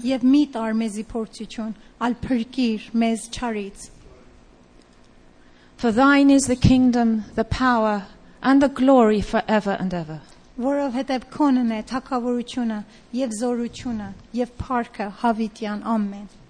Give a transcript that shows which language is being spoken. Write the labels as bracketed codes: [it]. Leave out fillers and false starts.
[hy] Եվ մի տար մեզի փորձություն, ալ փրկիր մեզ չարից. [en] For thine is the kingdom, the power, and the glory forever and ever. [hy] Որովհետև քոնն է թագավորությունը եւ զորությունը եւ փառքը հավիտյան ամեն.